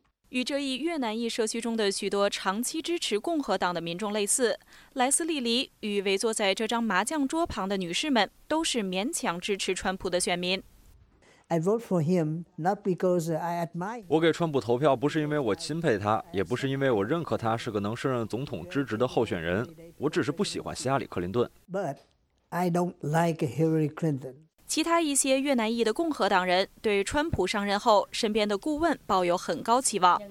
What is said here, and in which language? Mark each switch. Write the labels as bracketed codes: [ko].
[zh] 与这一越南裔社区中的许多长期支持共和党的民众类似，莱斯利·黎与围坐在这张麻将桌旁的女士们都是勉强支持川普的选民。 [en] I vote for him not because I admire. [zh] 我给川普投票不是因为我钦佩他，也不是因为我认可他是个能胜任总统之职的候选人，我只是不喜欢希拉里·克林顿。 [en] But I don't like Hillary Clinton. [zh] 其他一些越南裔的共和党人对川普上任后身边的顾问抱有很高期望。